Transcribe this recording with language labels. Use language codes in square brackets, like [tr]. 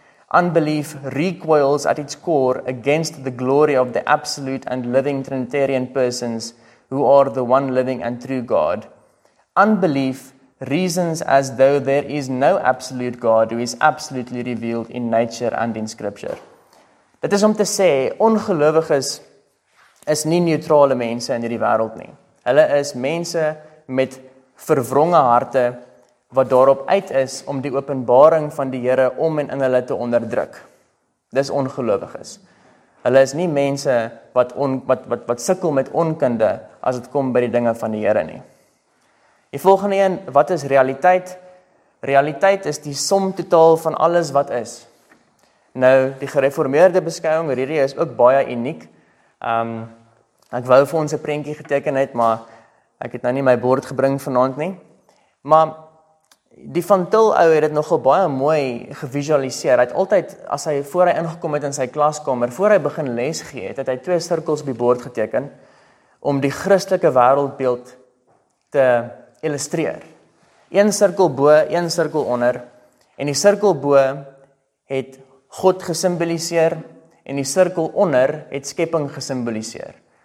[en] Unbelief recoils at its core against the glory of the absolute and living Trinitarian persons who are the one living and true God. Unbelief reasons as though there is no absolute God who is absolutely revealed in nature and in Scripture. [af] Dit is om te sê, ongelowiges is nie neutrale mense in hierdie wêreld nie. Hulle is mense met verwronge harte wat daarop uit is om die openbaring van die Here om en in hulle te onderdruk. Dis ongelowiges. Hulle is nie mense wat sukkel met onkunde as het kom by die dinge van die Here nie. Die volgende een, wat is realiteit? Realiteit is die som totaal van alles wat is. Nou, die gereformeerde beskouwing, hierdie is ook baie uniek. Ek wou vir ons een prentjie geteken het, maar ek het nou nie my bord gebring vanavond nie. Maar die Van Til ou het dit nogal baie mooi gevisualiseer. Hy het altyd, as hy voor hy ingekom het in sy klaskamer, voor hy begin les gee, het hy twee cirkels by bord geteken om die Christelike wêreldbeeld te illustreer. Een cirkel bo, een cirkel onder, en die cirkel bo het God gesimboliseer, en die cirkel onder het skepping gesimboliseer.